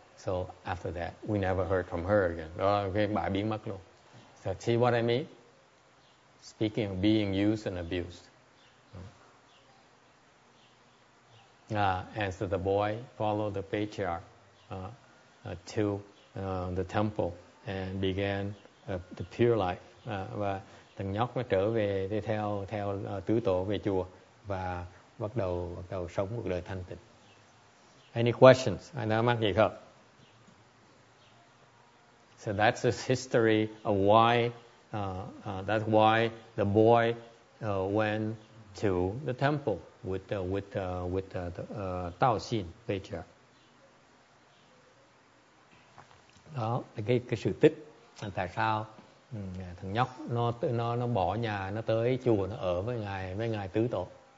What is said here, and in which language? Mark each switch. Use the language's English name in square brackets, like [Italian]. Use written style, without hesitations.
[English] So after that, we never heard from her again. Okay, [Vietnamese] bà biến mất luôn. [English] So see what I mean? Speaking of being used and abused. And so the boy followed the patriarch to the temple and began the pure life. [Vietnamese] Và thằng nhóc nó trở về đi theo tứ tổ về chùa và bắt đầu sống cuộc đời thanh tịnh. [English] Any questions? [Vietnamese] Ai đang mắc gì không? [English] So that's the history of why that's why the boy went to the temple with the Tao Xin patriarch. [Vietnamese] Đó là cái sự tích là tại sao thằng nhóc nó bỏ nhà nó tới chùa nó ở với ngài tứ tổ.